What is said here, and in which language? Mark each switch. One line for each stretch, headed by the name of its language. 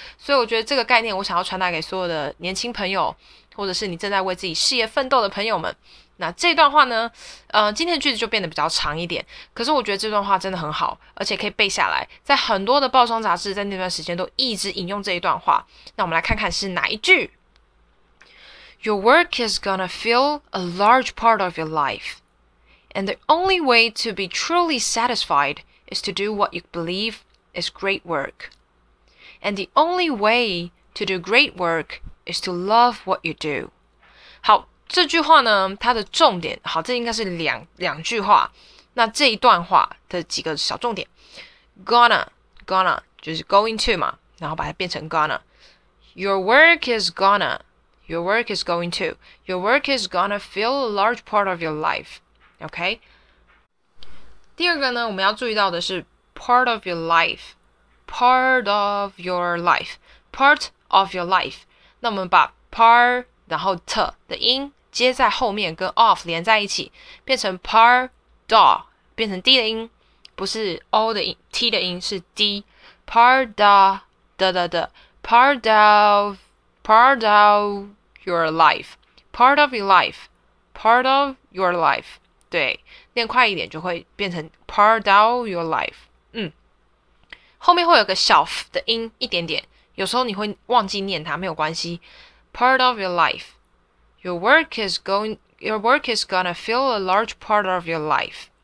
Chinese: 所以我觉得这个概念我想要传达给所有的年轻朋友，或者是你正在为自己事业奋斗的朋友们。那这段话呢，今天的句子就变得比较长一点，可是我觉得这段话真的很好，而且可以背下来，在很多的报章杂志在那段时间都一直引用这一段话。那我们来看看是哪一句。
English: Your work is gonna fill a large part of your life. And the only way to be truly satisfied is to do what you believe is great work. And the only way to do great work is to love what you do.
Chinese: 好，这句话呢，它的重点，好，这应该是两句话。那这一段话的几个小重点。 Gonna, 就是
English: going to
Chinese: 嘛，然后把它变成 gonna.
English: Your work is gonna. Your work is going to. Your work is gonna fill a large part of your life. Okay?
Chinese: 第二个呢，我们要注意到的是
English: part of your life. Part of your life. Part of your life.
Chinese: 那我们把 part 然后 t 的音接在后面跟 of 连在一起，变成 part of， 变成 d 的音，不是 o 的音， t 的音是 d.
English: Part of, da da da. Part of. Part of your life, part of your life, part of your life.
Chinese: 对，念快一点就会变成
English: part of your life.
Chinese: 后面会有个小 f 的音一点点，有时候你会忘记念它，没有关系。
English: Part of your life, your work is gonna fill a large part of your life.